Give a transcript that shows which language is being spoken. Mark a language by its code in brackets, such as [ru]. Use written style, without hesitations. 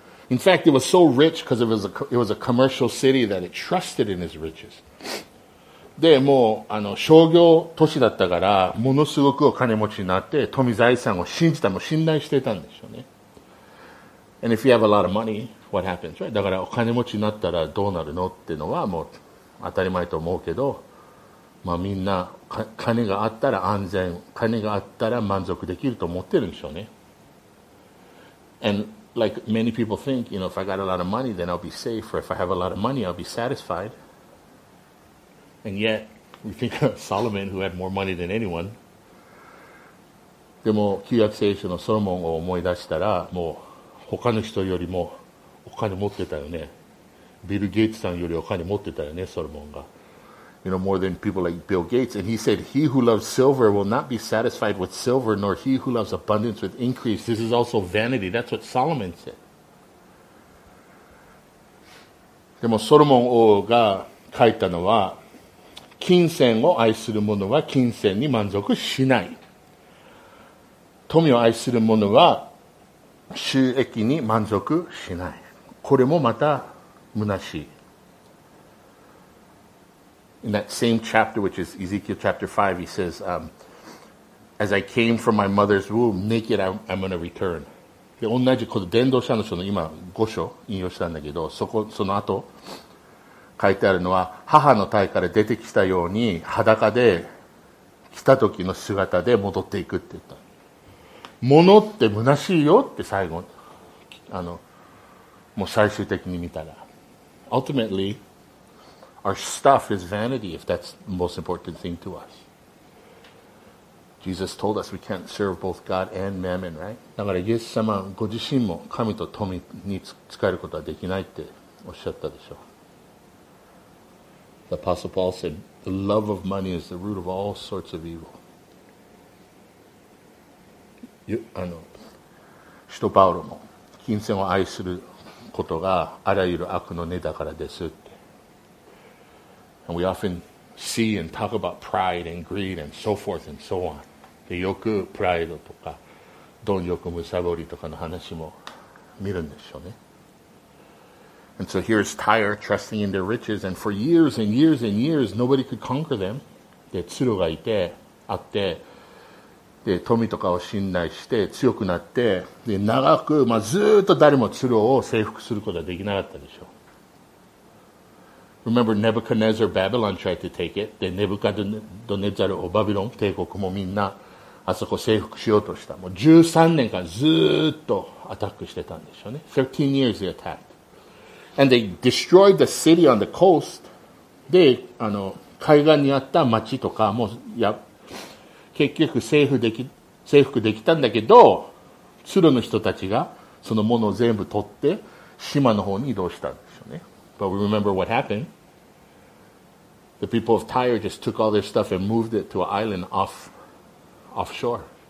[en] In fact, it was so rich because it was a commercial city that it trusted in its riches. [ja] で、もう商業都市だったから、ものすごくお金持ちになって、富財産を信じた、もう信頼してたんでしょうね。 [en] And if you have a lot of money,What happens, right? [ja] だからお金持ちになったらどうなるのってのはもう当たり前と思うけど、まあみんな金があったら安全、金があったら満足できると思ってるんでしょうね。 [en] And like many people think, you know, if I got a lot of money, then I'll be safe, or if I have a lot of money, I'll be satisfied. And yet, we think of Solomon, who had more money than anyone. [ja] でも旧約聖書のソロモンを思い出したら、もう他の人よりもお金持ってたよね。ビル・ゲイツさんよりお金持ってたよね、ソロモンが。 [en] You know, more than people like Bill Gates. And he said, he who loves silver will not be satisfied with silver, nor he who loves abundance with increase. This is also vanity. That's what Solomon said. [ja] でもソロモン王が書いたのは、金銭を愛する者は金銭に満足しない。富を愛する者は収益に満足しない。これもまた虚しい。 [en] In that same chapter, which is Ezekiel chapter 5, he says, As I came from my mother's womb, naked I'm going to return. [ja] で、同じこと、伝道者の書の今、五章引用したんだけど、その後、書いてあるのは、母の胎から出てきたように、裸で来た時の姿で戻っていくって言った。物って虚しいよって最後、もう最終的に見たら [en] Ultimately Our stuff is vanity If that's the most important thing to us Jesus told us We can't serve both God and mammon, right? [ja] だからイエス様ご自身も神と富に仕えることはできないっておっしゃったでしょう [en] The Apostle Paul said The love of money is the root of all sorts of evil [ja] シトパウロも金銭を愛することがあらゆる悪の根だからですって。 [en] And we often see and talk about pride and greed and so forth and so on. [ja] で、よくプライドとか、貪欲むさぼりとかの話も見るんでしょうね。 [en] And so here's Tyre trusting in their riches, and for years and years and years, nobody could conquer them. [ja] で、ツロがいて、あって、で富とかを信頼して強くなってで長く、まあ、ずっと誰もツロを征服することはできなかったでしょう [en] Remember, Nebuchadnezzar, Babylon tried to take it. [ja] で、ネブカドネザル、オバビロン、帝国もみんな、あそこ征服しようとした。もう13年間ずっとアタックしてたんでしょうね。 [en] 13 years they attacked. And they destroyed the city on the coast. [ja] で、あの、海岸にあった町とかも、や、結局征服できたんだけど、鶴の人たちがそのものを全部取って、島の方に移動したんでしょうね。 [en] But we remember what happened. The people of Tyre just took all their stuff and moved it to an island offshore.